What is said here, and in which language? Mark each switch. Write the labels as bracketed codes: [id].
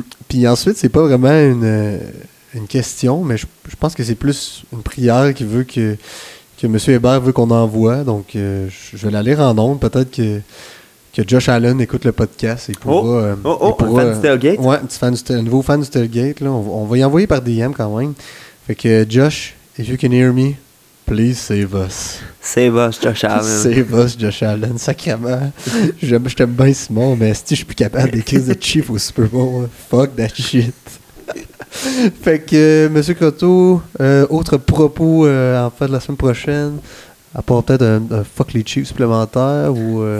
[fr] Puis ensuite, c'est pas vraiment une question, mais je pense que c'est plus une prière qui veut que M. Hébert veut qu'on envoie, donc je vais l'aller rendre honte. Peut-être que Josh Allen écoute le podcast et pourra... Un fan du tailgate? Ouais, un nouveau fan du tailgate. Là. On va y envoyer par DM quand même. Fait que [en] Josh, if you can hear me, please save us. Save us, Josh Allen. Save us, Josh Allen. [fr] Sacrément. Je t'aime bien, Simon, mais si je suis plus capable d'écrire de Chief au Super Bowl, hein. [en] Fuck that shit. [fr] Fait que Monsieur Croteau, autre propos en fait la semaine prochaine, à part peut-être un fuck les Chiefs supplémentaire ou